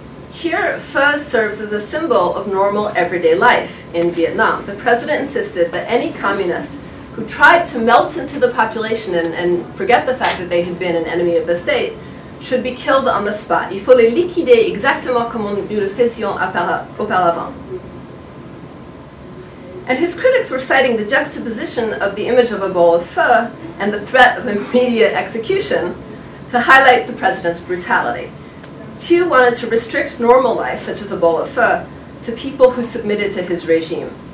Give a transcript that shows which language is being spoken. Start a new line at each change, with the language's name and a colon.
English: Here, pho serves as a symbol of normal everyday life in Vietnam. The president insisted that any communist who tried to melt into the population and forget the fact that they had been an enemy of the state should be killed on the spot.
French: Il faut les liquider exactement comme nous le faisions auparavant.
English: And his critics were citing the juxtaposition of the image of a bowl of pho and the threat of immediate execution to highlight the president's brutality. Thieu wanted to restrict normal life, such as a bowl of pho, to people who submitted to his regime.